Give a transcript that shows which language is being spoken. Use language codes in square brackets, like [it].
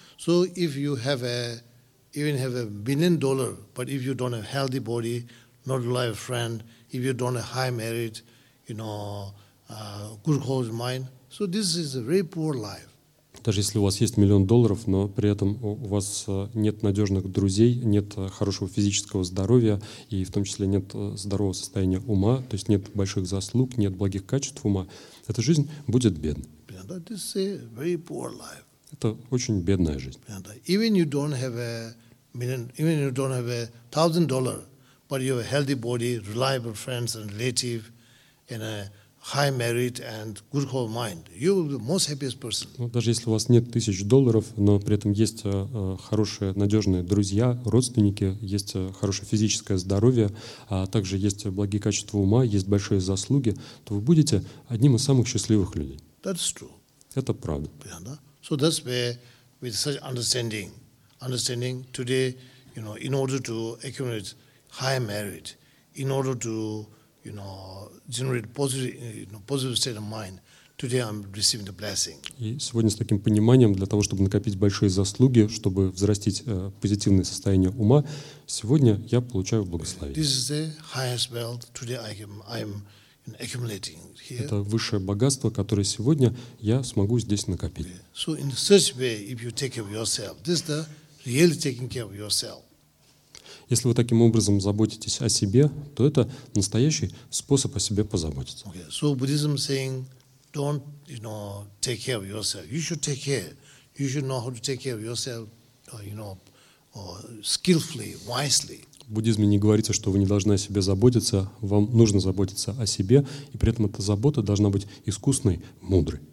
[en] So if you have even have $1 billion, but if you don't have healthy body, not reliable friend, if you don't have high merit, you know, good quality of mind, so this is a very poor life. [ru] Даже если у вас есть $1 million, но при этом у вас нет надежных друзей, нет хорошего физического здоровья и в том числе нет здорового состояния ума, то есть нет больших заслуг, нет благих качеств ума, эта жизнь будет бедной. Это очень бедная жизнь. [en] Even you don't have a million, even you don't have $1,000, but you have a healthy body, reliable friends and relative, and a high merit and good whole mind. You will be the most happiest person. [ru] Даже если у вас нет $1,000, но при этом есть хорошие, надежные друзья, родственники, есть хорошее физическое здоровье, а также есть благие качества ума, есть большие заслуги, то вы будете одним из самых счастливых людей. [en] That's true. [ru] Это правда. [en] Yeah. So that's where, with such understanding today, you know, in order to accumulate high merit, in order to you know, generate positive state of mind. Today I'm receiving the blessing. [ru] И сегодня с таким пониманием для того, чтобы накопить большие заслуги, чтобы взрастить позитивное состояние ума, сегодня я получаю благословение. [en] This is the highest wealth today I'm accumulating here. [ru] Это высшее богатство, которое сегодня я смогу здесь накопить. [en] So in such way, if you take care of yourself, this is the really taking care of yourself. [ru] Если вы таким образом заботитесь о себе, то это настоящий способ о себе позаботиться. [en] Okay. So Buddhism saying, don't, you know, take care of yourself. You should take care. You should know how to take care of yourself, you know, skillfully, wisely. [ru] В буддизме не говорится, что вы не должны о себе заботиться. Вам нужно заботиться о себе, и при этом эта забота должна быть искусной, мудрой.